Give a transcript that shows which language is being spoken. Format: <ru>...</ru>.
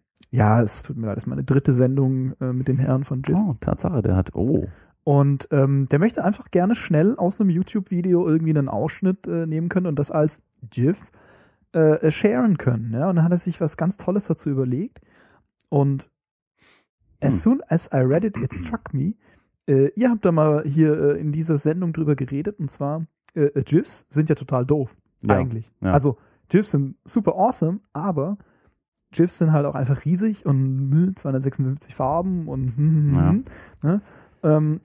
<de>Ja, es tut mir leid, das ist meine dritte Sendung mit dem Herrn von GIF. Oh, Tatsache, der hat, oh. Und der möchte einfach gerne schnell aus einem YouTube-Video irgendwie einen Ausschnitt nehmen können und das als GIF sharen können. Ja? Und dann hat er sich was ganz Tolles dazu überlegt. Und</de> <en>as soon as I read it, it struck me.</en> <de>Ihr habt da mal hier in dieser Sendung drüber geredet. Und zwar, GIFs sind ja total doof, ja, eigentlich. Ja. Also, GIFs sind</de> <en>super awesome,</en> <de>aber GIFs sind halt auch einfach riesig und 256 Farben und ja. Ne?</de>